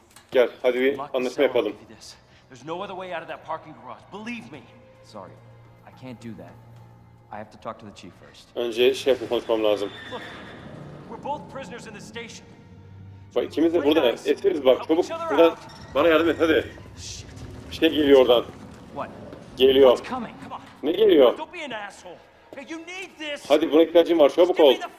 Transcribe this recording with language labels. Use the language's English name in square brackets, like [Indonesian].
[Turkish] Gel, hadi bir anlaşma yapalım. [English] There's no other way out of that parking garage. Believe me. Sorry, I can't do that. I have to talk to the chief first. [Turkish] Önce şefle konuşmam lazım. [English] We're both prisoners in the station. [Turkish] Bak, ikimiz de burada. Etkiliriz bak, çabuk. Burada bana yardım et, hadi. Bir şey geliyor oradan. [English] What? [Turkish] Geliyor. Ne geliyor? [English] Don't be an asshole. You need this. [Turkish] Hadi, buna ihtiyacın var, çabuk ol.